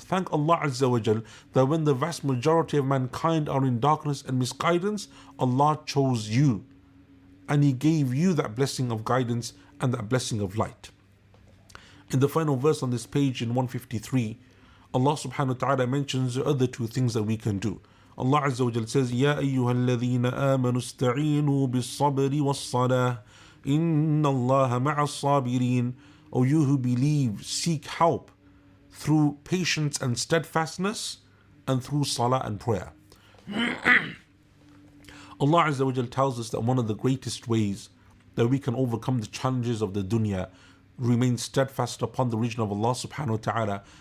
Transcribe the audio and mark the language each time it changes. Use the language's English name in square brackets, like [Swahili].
[English] Thank Allah Azza wa Jal that when the vast majority of mankind are in darkness and misguidance, Allah chose you and He gave you that blessing of guidance and that blessing of light. In the final verse on this page in 153, Allah subhanahu wa ta'ala mentions the other two things that we can do. Allah Azza wa Jal says, [Arabic] يَا أَيُّهَا الَّذِينَ آمَنُوا اسْتَعِينُوا بِالصَّبْرِ وَالصَّلَاةِ إِنَّ اللَّهَ مَعَ الصَّابِرِينَ. [English] O you who believe, seek help through patience and steadfastness and through salah and prayer. Allah Azza wa Jal tells us that one of the greatest ways that we can overcome the challenges of the dunya, remain steadfast upon the religion of Allah subhanahu wa ta'ala,